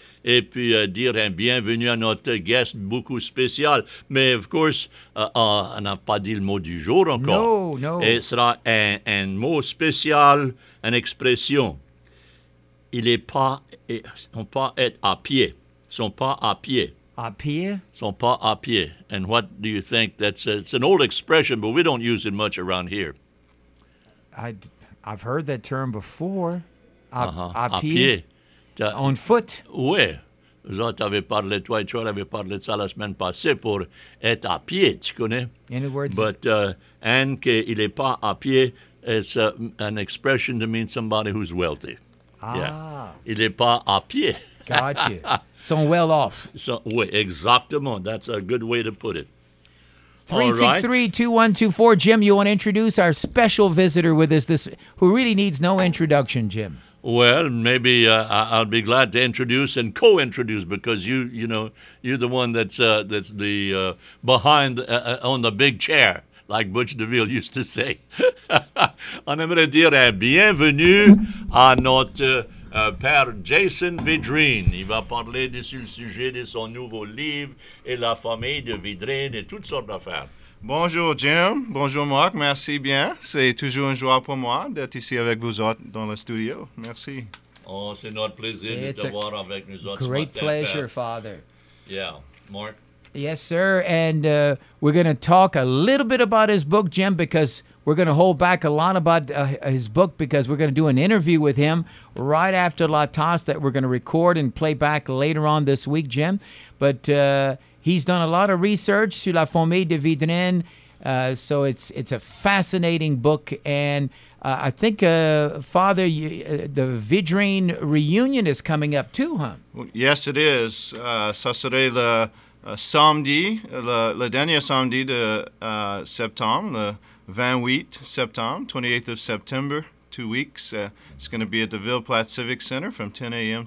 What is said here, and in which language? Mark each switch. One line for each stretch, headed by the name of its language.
French: Et puis dire un bienvenue à notre guest beaucoup spécial. Mais,
English: of course,
French: on n'a pas dit le mot du jour encore. Non, non. Et ce sera un mot spécial, une expression. Il est pas, on pas être à pied. Sont pas à pied. À pied? Sont pas à pied.
English: And what do you think? That's a, it's an old expression, but we don't use it much around here. I've heard that term before.
French: À pied.
English: On foot?
French: Oui. Vous autres avez parlé, toi et toi, avez parlé de ça la semaine passée pour être à pied, tu connais?
English: In other words... But, and
French: qu'il n'est pas à pied,
English: it's an expression to mean somebody who's wealthy. Ah. Yeah.
French: Il n'est pas à pied.
English: Gotcha. Sont well off.
French: So, oui, exactement.
English: That's a good way to put it. 363-2124, Jim, you want to introduce our special visitor with us, this who really needs no introduction, Jim. Well, maybe I'll be glad to introduce and co-introduce because you know, you're the one that's the behind on the big chair, like Butch DeVille used to say.
French: On aimerait dire bienvenue à notre père Jason Vidrine. Il va parler de sur le sujet de son nouveau livre et la famille de Vidrine et toutes sortes d'affaires. Bonjour Jim, bonjour Marc, merci bien. C'est toujours une joie pour moi d'être ici avec vous autres dans le studio. Merci. Oh, c'est notre plaisir de t'avoir avec nous autres.
English: Great pleasure, Father. Yeah, Marc. Yes, sir. And we're going to talk a little bit about his book, Jim, because we're going to hold back a lot about his book because we're going to do an interview with him right after La Tasse that we're going to record and play back later on this week, Jim. But he's done a lot of research
French: sur la famille de Vidrin,
English: so it's a fascinating book. And I think, Father, the Vidrin reunion is coming up too, huh? Yes, it is.
French: Ça serait le samedi, le dernier samedi de septembre, le 28 septembre,
English: 28th of September, 2 weeks. It's going to be at the Ville Platte Civic Center from 10 a.m.